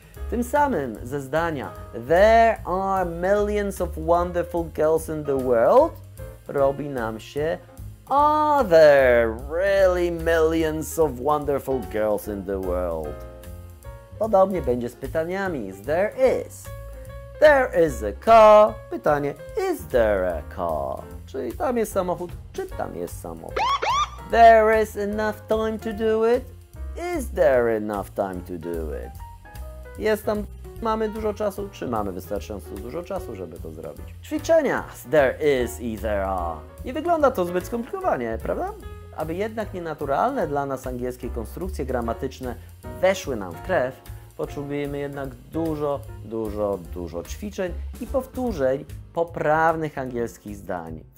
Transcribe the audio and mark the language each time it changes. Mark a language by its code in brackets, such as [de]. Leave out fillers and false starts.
[pl] Tym samym ze zdania [en] There are millions of wonderful girls in the world [pl] robi nam się [en] Are there really millions of wonderful girls in the world? [pl] Podobnie będzie z pytaniami. [en] There is. There is a car. [pl] Pytanie. [en] Is there a car? [pl] Czyli tam jest samochód. Czy tam jest samochód? [en] There is enough time to do it. Is there enough time to do it? [pl] Jest tam. Mamy dużo czasu. Czy mamy wystarczająco dużo czasu, żeby to zrobić? Ćwiczenia. There is i there are. Nie wygląda to zbyt skomplikowanie, prawda? Aby jednak nienaturalne dla nas angielskie konstrukcje gramatyczne weszły nam w krew, potrzebujemy jednak dużo, dużo, dużo ćwiczeń i powtórzeń poprawnych angielskich zdań.